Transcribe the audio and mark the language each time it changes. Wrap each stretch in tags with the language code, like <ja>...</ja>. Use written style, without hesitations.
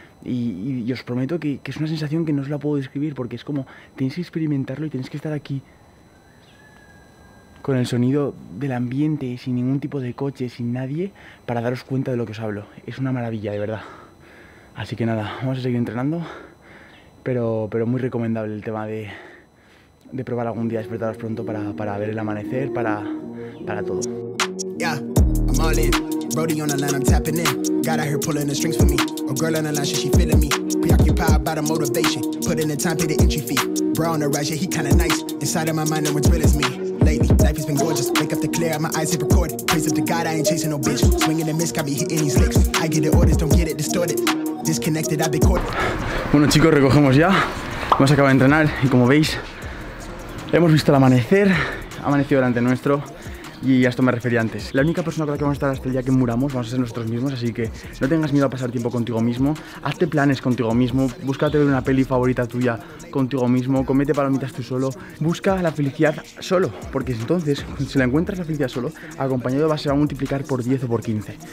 <es>Y os prometo que es una sensación que no os la puedo describir, porque es como, tienes que experimentarlo y tienes que estar aquí con el sonido del ambiente, sin ningún tipo de coche, sin nadie, para daros cuenta de lo que os hablo. Es una maravilla, de verdad. Así que nada, vamos a seguir entrenando, pero muy recomendable el tema de probar algún día despertaros pronto para ver el amanecer, para todo.</es> <en>Yeah, I'm all in. Brody on the line, I'm tapping in. Got her pulling the strings for me. A girl on the line, she feeling me. Preoccupied by the motivation. Put in the time, pay the entry fee. Bro on the rise, yeah, he kinda nice. Inside of my mind, no one's real as me. Lately, life has been gorgeous. Wake up the clear, my eyes hit record. Praise up to God, I ain't chasing no bitch. Swinging and miss, got me hitting these licks. I get the orders, don't get it distorted. Disconnected, I've been caught.</en> <es>Bueno, chicos, recogemos ya. Hemos acabado de entrenar y como veis, hemos visto el amanecer. Amaneció delante nuestro. Y a esto me refería antes. La única persona con la que vamos a estar hasta el día que muramos vamos a ser nosotros mismos, así que no tengas miedo a pasar tiempo contigo mismo. Hazte planes contigo mismo, búscate ver una peli favorita tuya contigo mismo, comete palomitas tú solo, busca la felicidad solo, porque entonces, si la encuentras la felicidad solo, acompañado va a ser a multiplicar por 10 o por 15.</es>